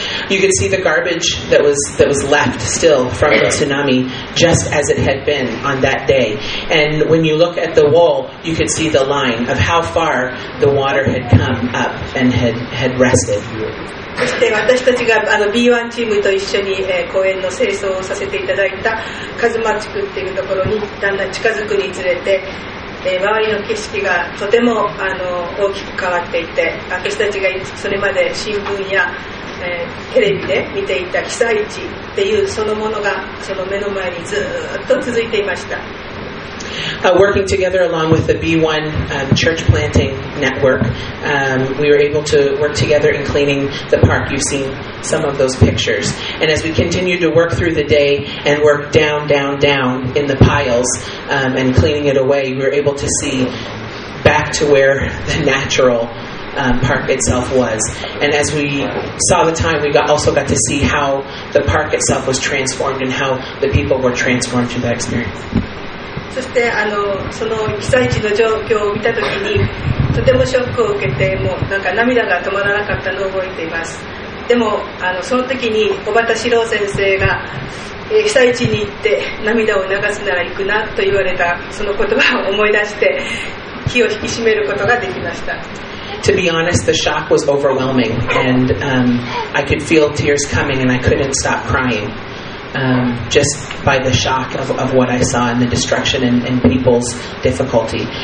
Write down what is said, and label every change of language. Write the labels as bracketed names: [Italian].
[English] you could see the garbage that was left still from the tsunami just as it had been on that day. And when you look at the wall, you could see the line of how far the water had come up and had, had rested. [Japanese] そして私たちがあの B1 チームと一緒に、公園の清掃をさせていただいたカズマ地区っていうところにだんだん近づくにつれて、周りの景色がとてもあの大きく変わっていて、私たちがそれまで新聞や、テレビで見ていた被災地っていうそのものがその目の前にずっと続いていました。 [English] Working together along with the B1 church planting network, we were able to work together in cleaning the park. You've seen some of those pictures. And as we continued to work through the day and work down, down, down in the piles and cleaning it away, we were able to see back to where the natural park itself was. And as we saw the time, we got, also got to see how the park itself was transformed and how the people were transformed through that experience. [Japanese] そしてあのその被災地の状況を見たときにとてもショックを受けて、もうなんか涙が止まらなかったのを覚えています。でもあのその時に小畑志郎先生が、被災地に行って涙を流すなら行くなと言われたその言葉を思い出して気を引き締めることができました。 [English] To be honest, the shock was overwhelming and、I could feel tears coming and I couldn't stop cryingjust by the shock of what I saw and the destruction and people's difficulty.